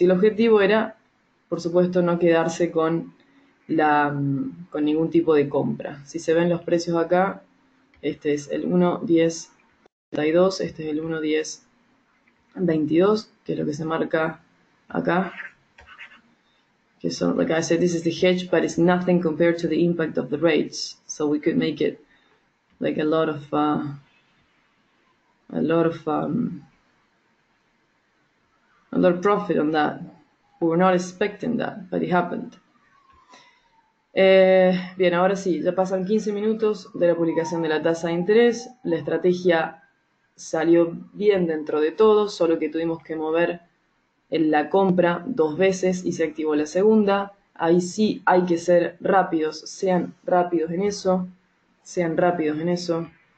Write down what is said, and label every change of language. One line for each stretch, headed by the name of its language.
Spanish: Y el objetivo era, por supuesto, no quedarse con ningún tipo de compra. Si se ven los precios acá, Este es el 1.10.32, este es el 1.10.22, que es lo que se marca acá. Que son,
English: like I said, this is the hedge, but it's nothing compared to the impact of the rates. So we could make it like a lot of profit on that. We were not expecting that, but it happened.
Spanish: Bien, ahora sí, ya pasan 15 minutos de la publicación de la tasa de interés. La estrategia salió bien dentro de todo, solo que tuvimos que mover en la compra dos veces y se activó la segunda. Ahí sí hay que ser rápidos, sean rápidos en eso, sean rápidos en eso.